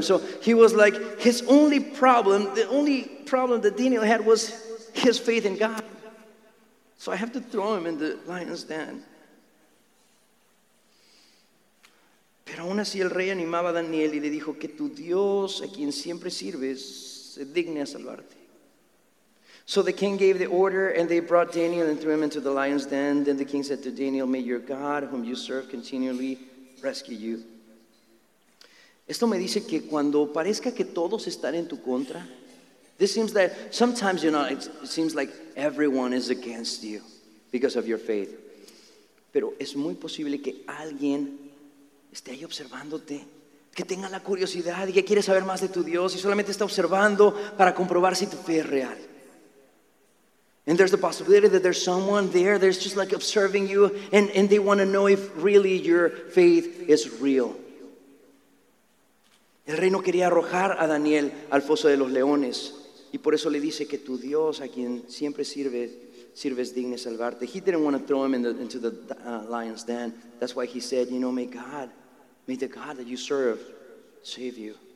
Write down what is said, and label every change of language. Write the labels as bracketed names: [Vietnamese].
[English] So he was like, his only problem, the only problem that Daniel had was his faith in God. So I have to throw him in the lion's den. [Spanish] Pero aún así el rey animaba a Daniel y le dijo que tu Dios, a quien siempre sirves, se digne a salvarte. [English] So the king gave the order, and they brought Daniel and threw him into the lion's den. Then the king said to Daniel, may your God, whom you serve continually, rescue you. [Spanish] Esto me dice que cuando parezca que todos están en tu contra, [English] this seems that sometimes, you know, it seems like everyone is against you because of your faith. [Spanish] Pero es muy posible que alguien esté ahí observándote, que tenga la curiosidad y que quiere saber más de tu Dios y solamente está observando para comprobar si tu fe es real. [English] And there's the possibility that there's someone there that's just like observing you and they want to know if really your faith is real. [Spanish] El rey no quería arrojar a Daniel al foso de los leones y por eso le dice que tu Dios a quien siempre sirves, sirves digno salvarte. [English] He didn't want to throw him into the lion's den. That's why he said, you know, may the God that you serve save you.